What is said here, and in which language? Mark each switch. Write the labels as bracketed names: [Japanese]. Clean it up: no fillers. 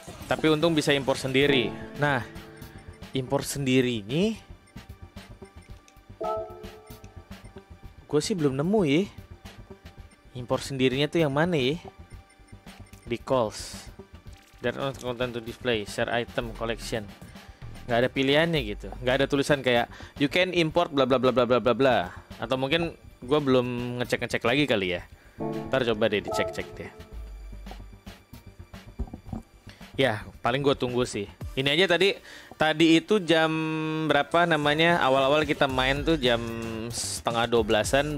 [Indonesian] Tapi untung bisa impor sendiri. Nah, impor sendiri ini gue sih belum nemu ya. Impor sendirinya tuh yang mana ya? [English] Decals. There are content to display, share item, collection. [Indonesian] Gak ada pilihannya gitu. Gak ada tulisan kayak you can import bla bla bla bla bla bla. Atau mungkin gue belum ngecek lagi kali ya. Ntar coba deh dicek deh. Ya paling gue tunggu sih. Ini aja tadi itu jam berapa namanya, awal-awal kita main tuh jam 11:30.